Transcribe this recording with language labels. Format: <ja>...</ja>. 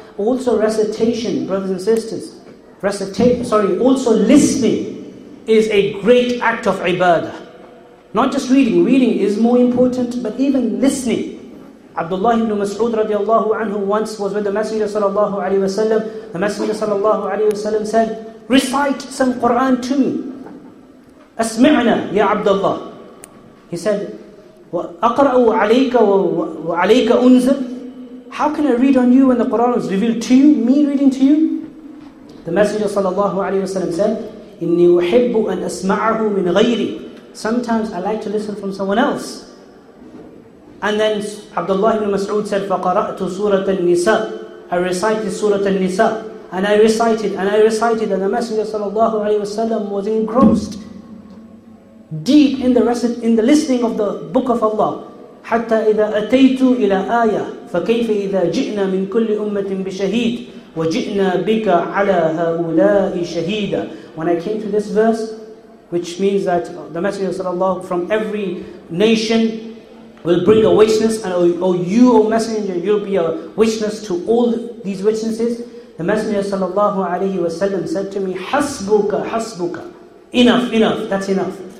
<en>Also recitation, brothers and sisters. Also listening is a great act of ibadah. Not just reading. Reading is more important, but even listening. Abdullah ibn Mas'ud radiallahu anhu once was with the Messenger sallallahu alayhi wa sallam. The Messenger sallallahu alayhi wa sallam said, recite some Qur'an to me.</en> <ar>Asmi'na ya Abdullah.</ar> <en>He said,</en> <ar>وَأَقْرَأُ عَلَيْكَ وَعَلَيْكَ أُنزَلْ.</ar> <en>How can I read on you when the Qur'an is revealed to you, me reading to you? The Messenger sallallahu alayhi wa sallam said,</en> <ar>إِنِّي أُحِبُّ أَنْ أَسْمَعَهُ مِنْ غَيْرِي.</ar> <en>Sometimes I like to listen from someone else. And then Abdullah ibn Mas'ud said,</en> <ar>فَقَرَأْتُ سُورَةَ النِّسَاءِ.</ar> <en>I recited Surah An-Nisa. And I recited, and the Messenger sallallahu alayhi wa sallam was engrossed deep in the rest, in the listening of the Book of Allah.</en> <ar>حتى إذا أتيت إلى آية فكيف إذا جئنا من كل أمة بشهيد وجئنا بك على هؤلاء شهيدا.</ar> <en>When I came to this verse, which means that the Messenger sallallahu from every nation will bring a witness, and O Messenger, you'll be a witness to all these witnesses. The Messenger sallallahu alayhi wa sallam said to me, Hasbuka, enough, that's enough.</en>